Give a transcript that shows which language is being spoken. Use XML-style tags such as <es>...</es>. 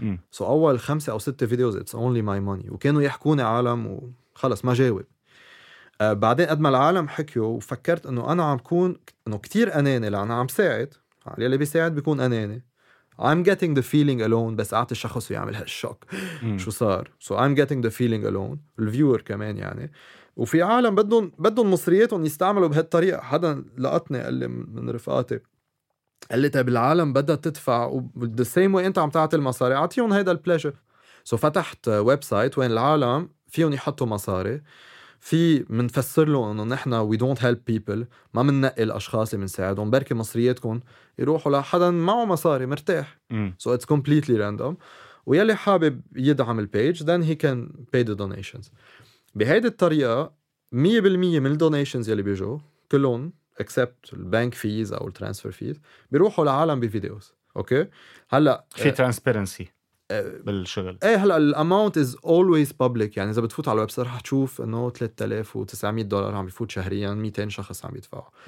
<ar>سو اول 5 أو 6 فيديوز اتس اونلي ماي ماني، وكانوا يحكوني عالم وخلص ما جاوب. بعدين قد ما العالم حكيوا وفكرت انه انا عم كون انه كثير اناني، لانه عم ساعد اللي بيساعد بيكون أناني.</ar> <en>I'm getting the feeling alone،</en> <ar>بس أعطي الشخص ويعمل هالشوك. شو صار؟</ar> <en>So I'm getting the feeling alone.</en> <ar>الفيور كمان يعني. وفي عالم بدهم مصرياتهم يستعملوا بهالطريقة. حدا لقطني قال لي من رفقاتي، قال لي طيب العالم بدها تدفع وبالسيم وانت عم تعطي المصاري، أعطيهم هيدا البلاشر. So فتحت ويب سايت وين العالم فيهم يحطوا مصاري، في منفسر له انه نحن</ar> <en>we don't help people،</en> <ar>ما مننقي الاشخاص اللي منساعدهم، بركي مصرياتكم يروحوا لحدا معه مصاري مرتاح.</ar> <en>So it's completely random.</en> <ar>ويلي حابب يدعم البيج</ar> <en>then he can pay the donations.</en> <ar>بهذه الطريقة 100% من الدونيشنز يلي بيجوا كلهم except البنك فيز او الترانسفير فيز بيروحوا لعالم بفيديوز. اوكي هلا في ترانسبيرنسي بالشغل. ايه هلا الاماونت از اولويز بابليك، يعني اذا بتفوت على الويب سايت رح تشوف انه 3900 دولار عم بيفوت شهريا، 200 شخص عم يدفعوا.</ar>